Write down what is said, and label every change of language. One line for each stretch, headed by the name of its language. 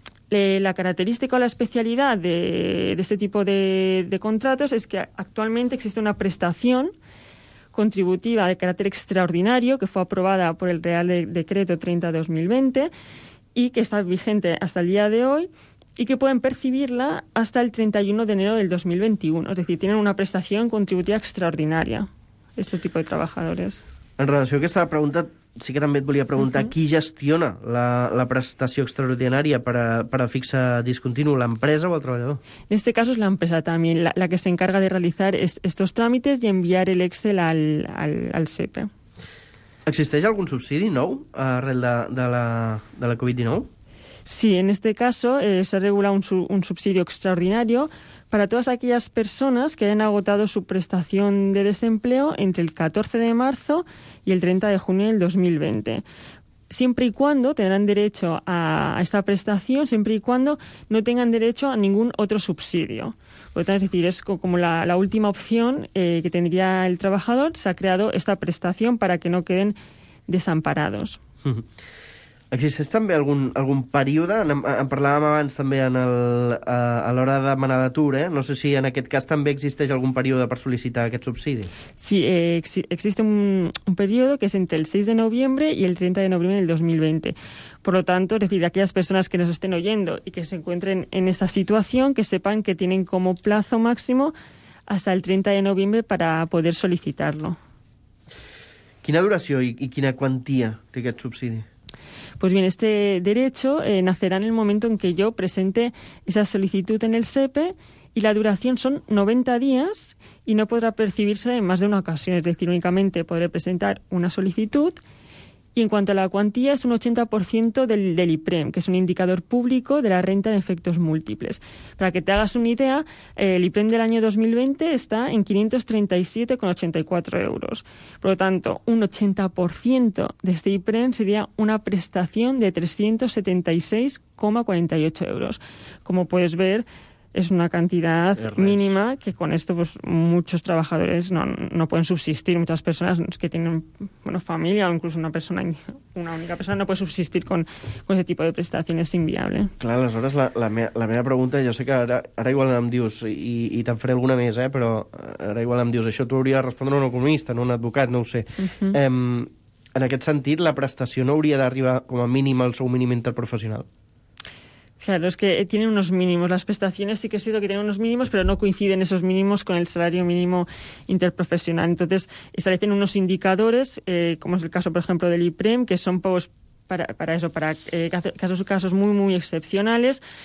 Spanish: La característica o la especialidad de este tipo de contratos es que actualmente existe una prestación contributiva de carácter extraordinario que fue aprobada por el Real Decreto 30/2020 y que está vigente hasta el día de hoy y que pueden percibirla hasta el 31 de enero del 2021. Es decir, tienen una prestación contributiva extraordinaria este tipo de trabajadores.
Catalan: En relació a aquesta pregunta, sí que també et volia preguntar uh-huh. Qui gestiona la prestació extraordinària per a fixa discontinu, l'empresa o el treballador?
Spanish: En este caso es la empresa también la que se encarga de realizar estos trámites y enviar el Excel al SEPE.
Catalan: ¿Existeix algun subsidi nou arrel de la Covid-19?
Spanish: Sí, en este caso se regula un subsidio extraordinario para todas aquellas personas que hayan agotado su prestación de desempleo entre el 14 de marzo y el 30 de junio del 2020. Siempre y cuando tendrán derecho a esta prestación, siempre y cuando no tengan derecho a ningún otro subsidio. Por lo tanto, es decir, es como la última opción que tendría el trabajador. Se ha creado esta prestación para que no queden desamparados.
Catalan: Existeix també algun període? En parlàvem abans també a l'hora de demanar d'atur, eh? No sé si en aquest cas també existeix algun període per sol·licitar aquest subsidi.
Spanish: Sí, existe
Catalan: un període que és entre el 6 de novembre i el 30 de novembre del 2020.
Spanish: Por lo tanto, es decir, aquellas personas que nos estén oyendo y que se encuentren en esa situación, que sepan que tienen como plazo máximo hasta el 30 de novembre para poder solicitarlo.
Catalan: Quina duració i quina quantia té aquest subsidi?
Spanish: Pues bien, este derecho nacerá en el momento en que yo presente esa solicitud en el SEPE y la duración son 90 días y no podrá percibirse en más de una ocasión. Es decir, únicamente podré presentar una solicitud y en cuanto a la cuantía es un 80% del IPREM, que es un indicador público de la renta de efectos múltiples. Para que te hagas una idea, el IPREM del año 2020 está en 537,84 €. Por lo tanto, un 80% de este IPREM sería una prestación de 376,48 €. Como puedes ver, es una cantidad mínima que con esto pues muchos trabajadores no pueden subsistir, muchas personas que tienen bueno, familia o incluso una única persona no puede subsistir con ese tipo de prestaciones, inviable.
Catalan: Clar, aleshores la meva pregunta, jo sé que ara igual em dius i te'n faré alguna més, però ara igual em dius, això t'ho hauria de respondre un economista, no un advocat, no ho sé. Uh-huh. En aquest sentit, la prestació no hauria d'arribar com a mínim al sou mínim interprofessional?
Spanish: Claro, es que tienen unos mínimos. Las prestaciones sí que es cierto que tienen unos mínimos, pero no coinciden esos mínimos con el salario mínimo interprofesional. Entonces, establecen unos indicadores, como es el caso, por ejemplo, del IPREM, que son pues, para casos muy, muy excepcionales.